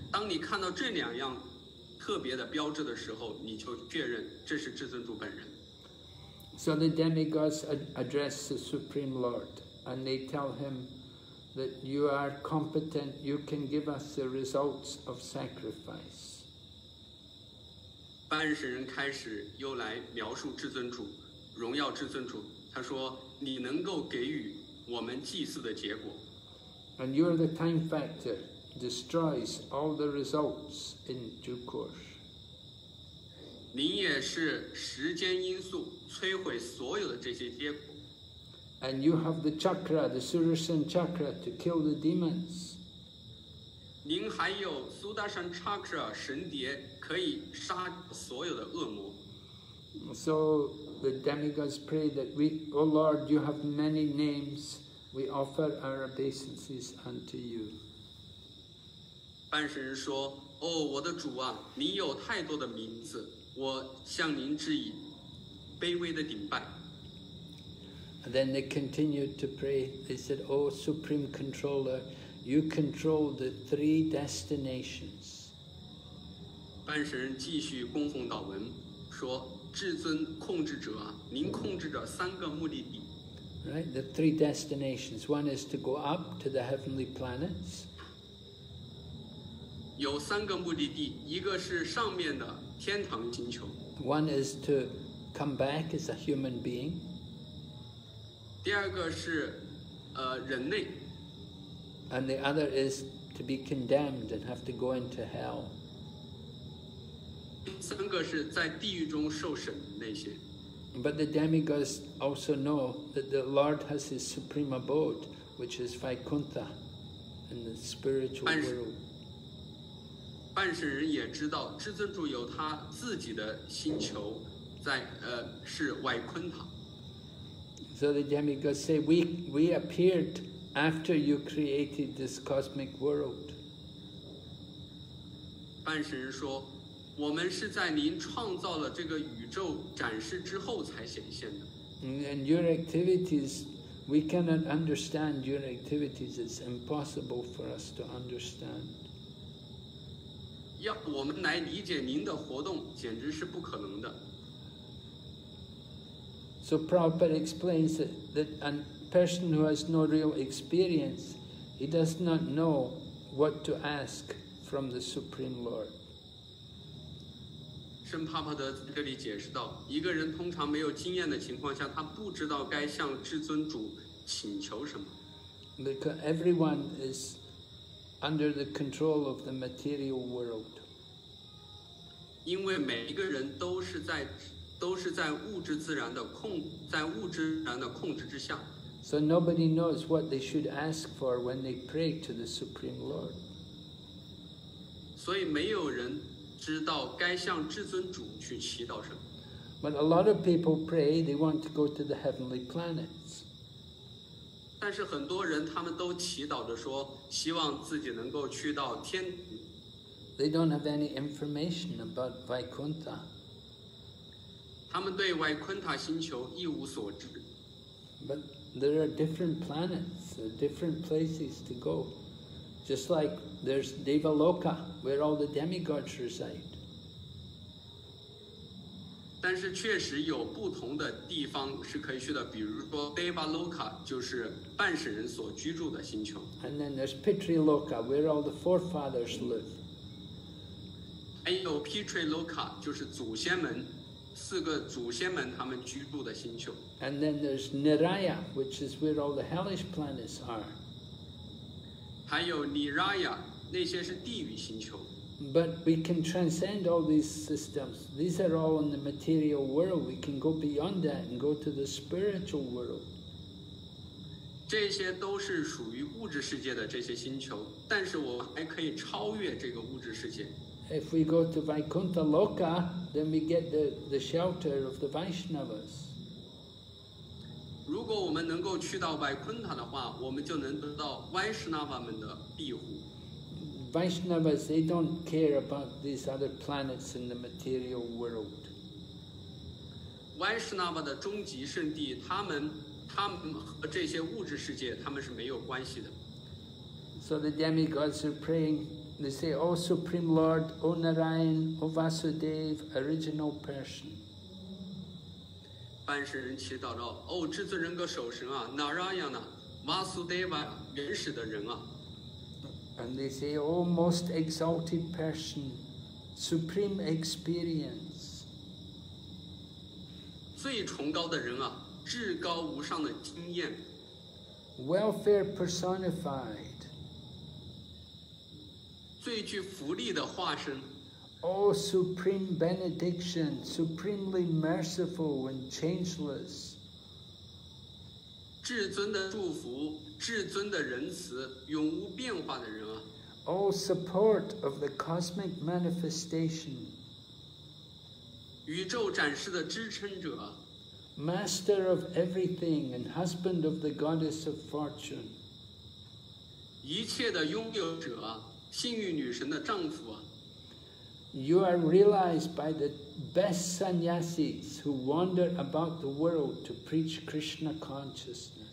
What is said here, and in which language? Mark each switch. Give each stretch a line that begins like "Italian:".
Chinese: 当你看到这两样特别的标志的时候，你就确认这是至尊主本人。
English: So the demigods address the Supreme Lord, and they tell him that you are competent, you can give us the results of sacrifice.
Chinese: 班神人开始又来描述至尊主，荣耀至尊主，他说，你能够给予我们祭祀的结果。
English: And you are the time factor, destroys all the results in due course.
Chinese: 您也是时间因素，摧毁所有的这些结果。
English: And you have the chakra, the Sudarshan chakra, to kill the demons.
Chinese: 您还有 Sudarshan chakra, 神蝶，可以杀所有的恶魔。
English: So the demigods pray that we, O Lord, you have many names, we offer our obeisances unto you.
Chinese: 半神人说，哦，我的主啊，你有太多的名字，我向您致以卑微的顶拜。
English: Then they continued to pray. They said, O Supreme Controller, you control the three destinations.
Chinese: 班神人继续供奉祷文，说，至尊控制者，您控制着三个目的地。
English: Right, the three destinations. One is to go up to the heavenly planets.
Chinese: 有三个目的地，一个是上面的天堂星球。
English: One is to come back as a human being.
Chinese: 第二个是人类。
English: And the other is to be condemned and have to go into hell.
Chinese: 第三个是在地狱中受审的那些。
English: But the demigods also know that the Lord has his supreme abode, which is Vaikuntha, in the spiritual world.
Chinese: 半神人也知道，至尊主有他自己的星球，在是外昆塔。
English: So the demigods say, we appeared after you created this cosmic world.
Chinese: 半神人说，我们是在您创造了这个宇宙展示之后才显现的。
English: And your activities, we cannot understand your activities. It's impossible for us to understand.
Chinese: 要我们来理解您的活动，简直是不可能的。
English: So Prabhupada explains that a person who has no real experience, he does not know what to ask from the Supreme Lord.
Chinese: 圣帕帕德在这里解释道，一个人通常没有经验的情况下，他不知道该向至尊主请求什么。
English: Because everyone is under the control of the material world.
Chinese: 因为每一个人都是在物质自然的控制之下。
English: So nobody knows what they should ask for when they pray to the Supreme Lord.
Chinese: 所以没有人知道该向至尊主去祈祷什么。
English: But a lot of people pray, they want to go to the heavenly planets.
Chinese: 但是很多人他们都祈祷着说，希望自己能够去到天。
English: They don't have any information about Vaikuntha.
Chinese: 他们对外昆塔星球一无所知。
English: But there are different planets, different places to go. Just like there's Devaloka, where all the demigods reside.
Chinese: 但是确实有不同的地方是可以去的，比如说 Devaloka 就是半神人所居住的星球。
English: And then there's Pitriloka, where all the forefathers live.
Chinese: 还有 Pitriloka 就是祖先们，四个祖先们他们居住的星球。
English: And then there's Niraya, which is where all the hellish planets are.
Chinese: 还有 Niraya, 那些是地狱星球。
English: But we can transcend all these systems. These are all in the material world. We can go beyond that and go to the spiritual world.
Chinese: 这些都是属于物质世界的这些星球，但是我还可以超越这个物质世界。
English: If we go to Vaikuntha Loka, then we get the shelter of the Vaishnavas.
Chinese: 如果我们能够去到 Vaikuntha 的话，我们就能得到 Vaishnava 们的庇护。
English: Vaishnavas, they don't care about these other planets in the material world.
Chinese: Vaishnava 的终极圣地，他们和这些物质世界，他们是没有关系的。
English: So the demigods are praying. They say, O Supreme Lord, O Narayan, O Vasudev, original person.
Chinese: 半神人祈祷道，哦，至尊人格首神啊，Narayana， Vasudeva 原始的人啊。
English: And they say, oh, most exalted person, supreme experience.
Chinese: 最崇高的人啊，至高无上的经验。
English: Welfare personified.
Chinese: 最具福利的化身。
English: Oh, supreme benediction, supremely merciful and changeless.
Chinese: 至尊的祝福，至尊的仁慈，永无变化的人啊。
English: Oh, support of the cosmic manifestation.
Chinese: 宇宙展示的支撑者。
English: Master of everything and husband of the goddess of fortune.
Chinese: 一切的拥有者，幸运女神的丈夫啊。
English: You are realized by the best sannyasis who wander about the world to preach Krishna consciousness.